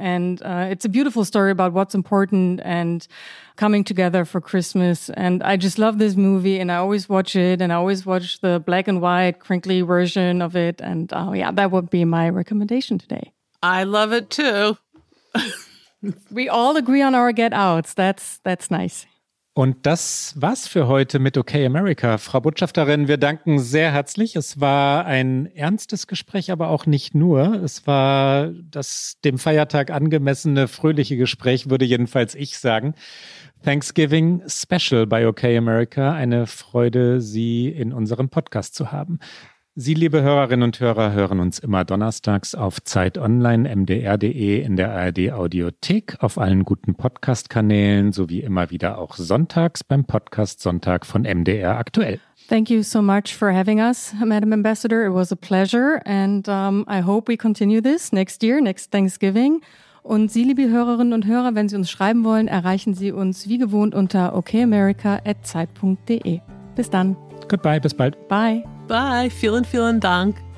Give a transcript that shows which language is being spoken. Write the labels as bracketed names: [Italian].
[English] And it's a beautiful story about what's important and coming together for Christmas. And I just love this movie, and I always watch it, and I always watch the black and white crinkly version of it. And yeah, that would be my recommendation today. I love it too. We all agree on our Get Outs. That's nice. [German] Und das war's für heute mit OK America. Frau Botschafterin, wir danken sehr herzlich. Es war ein ernstes Gespräch, aber auch nicht nur. Es war das dem Feiertag angemessene, fröhliche Gespräch, würde jedenfalls ich sagen. Thanksgiving Special bei OK America. Eine Freude, Sie in unserem Podcast zu haben. Sie, liebe Hörerinnen und Hörer, hören uns immer donnerstags auf Zeit Online, mdr.de, in der ARD Audiothek, auf allen guten Podcast-Kanälen sowie immer wieder auch sonntags beim Podcast Sonntag von MDR Aktuell. [English] Thank you so much for having us, Madam Ambassador. It was a pleasure and I hope we continue this next year, next Thanksgiving. [German] Und Sie, liebe Hörerinnen und Hörer, wenn Sie uns schreiben wollen, erreichen Sie uns wie gewohnt unter okamerica@zeit.de. Bis dann. [English] Goodbye, [German] bis bald. [English] Bye. Bye, [German] vielen, vielen Dank.